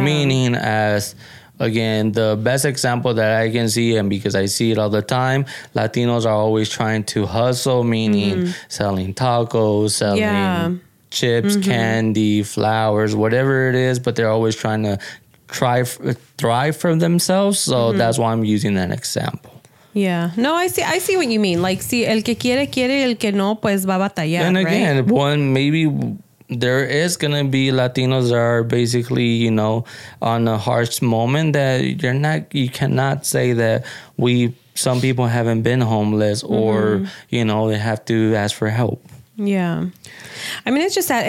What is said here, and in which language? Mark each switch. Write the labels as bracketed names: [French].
[English] Meaning as, again, the best example that I can see, and because I see it all the time, Latinos are always trying to hustle, meaning selling tacos, selling chips, candy, flowers, whatever it is, but they're always trying to thrive for themselves. So that's why I'm using that example. Yeah. No, I see what you mean. [Spanish] Like, si el que quiere, quiere, el que no, pues va a batallar. [English] And again, one, maybe there is going to be Latinos that are basically, you know, on a harsh moment that you're not, you cannot say that we, some people haven't been homeless or, you know, they have to ask for help. Yeah. I mean, it's just sad.